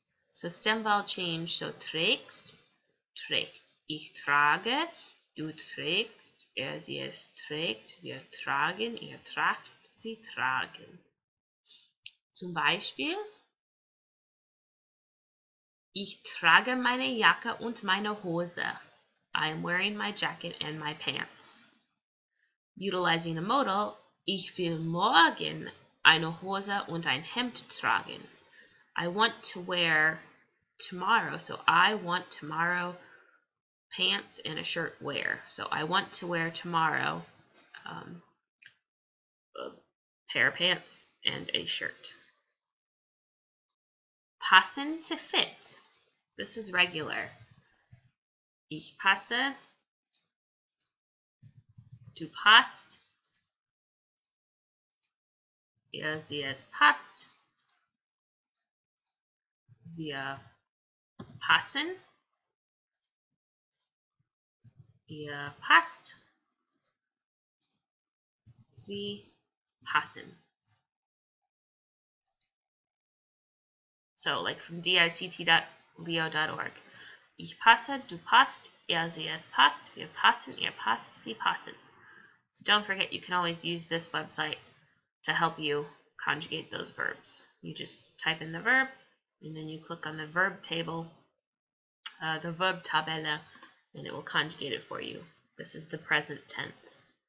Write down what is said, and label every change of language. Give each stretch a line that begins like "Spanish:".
English: So stem vowel change, so
German: trägst, trägt, ich trage, du trägst, er, sie, es trägt, wir tragen, ihr tragt, sie tragen. Zum Beispiel, ich trage meine Jacke und meine Hose.
English: I am wearing my jacket and my pants. Utilizing a modal,
German: ich will morgen eine Hose und ein Hemd tragen.
English: I want to wear tomorrow, so I want tomorrow pants and a shirt wear. So I want to wear tomorrow a pair of pants and a shirt. Passen to fit. This is regular.
German: Ich passe. Du passt. Sie es passt. Wir passen. Ihr passt. Sie passen.
English: So, like from dict.leo.org.
German: Ich passe, du passt, sie es passt, wir passen, ihr passt, sie passen.
English: So don't forget, you can always use this website to help you conjugate those verbs. You just type in the verb, and then you click on the verb table, the verb tabella, and it will conjugate it for you. This is the present tense.